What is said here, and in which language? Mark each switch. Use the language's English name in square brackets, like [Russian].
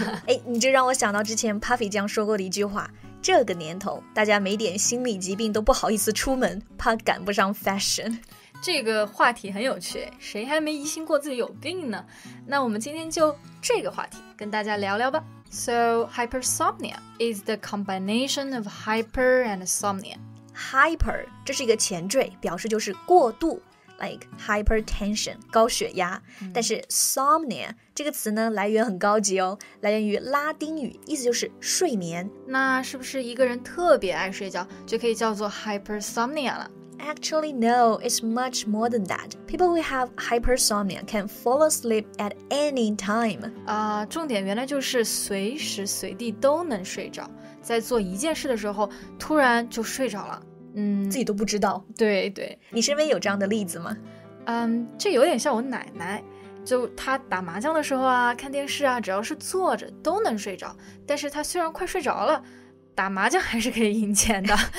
[Chinese] 哎，你这让我想到之前 Puffy 酱说过的一句话。这个年头，大家没点心理疾病都不好意思出门，怕赶不上 fashion。这个话题很有趣，谁还没疑心过自己有病呢？那我们今天就这个话题跟大家聊聊吧。 [English] So, hypersomnia is the combination of hyper and somnia. [Chinese] Hyper, 这是一个前缀，表示就是过度。 [English] Like hypertension, [Chinese] 高血压、但是 somnia 这个词呢来源很高级哦，来源于拉丁语，意思就是睡眠。那是不是一个人特别爱睡觉就可以叫做 hypersomnia 了？ [English] Actually no, it's much more than that. People who have hypersomnia can fall asleep at any time. [Chinese] 重点原来就是随时随地都能睡着，在做一件事的时候突然就睡着了，自己都不知道。对对，你身边有这样的例子吗？这有点像我奶奶，就她打麻将的时候啊，看电视啊，只要是坐着都能睡着，但是她虽然快睡着了，打麻将还是可以赢钱的。